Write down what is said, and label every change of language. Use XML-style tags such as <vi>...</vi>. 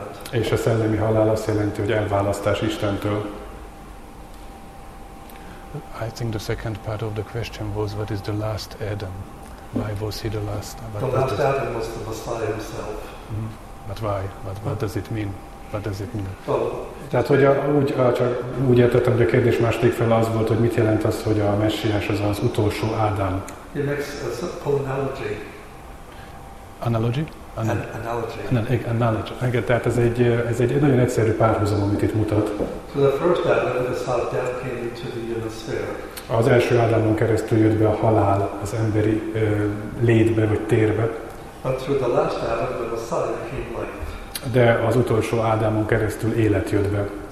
<hu>És a szellemi halál azt jelenti, hogy elválasztás Istentől.</hu> <en>I think the second part of the question was, what is the last Adam? Why was he the last? The last Adam was the Messiah himself. Mm-hmm. But why? What does it mean? What does it mean? Well,</en> <hu>tehát, hogy úgy értettem, hogy a kérdés második fele az volt, hogy mit jelent az, hogy a Messiás az az utolsó Ádám.</hu> <en>He makes a simple analogy. Analogy? Analogy.</en> <hu>Igen, tehát ez egy nagyon egyszerű párhuzam, amit itt mutat.</hu> <en>So the first Adam is how death came into the human sphere.</en> <hu>Az első Ádámon keresztül jött be a halál az emberi létbe, vagy térbe.</hu> <en>But through the last Adam, the Messiah came life.</en> <hu>De az utolsó Ádámon keresztül élet jött be.</hu>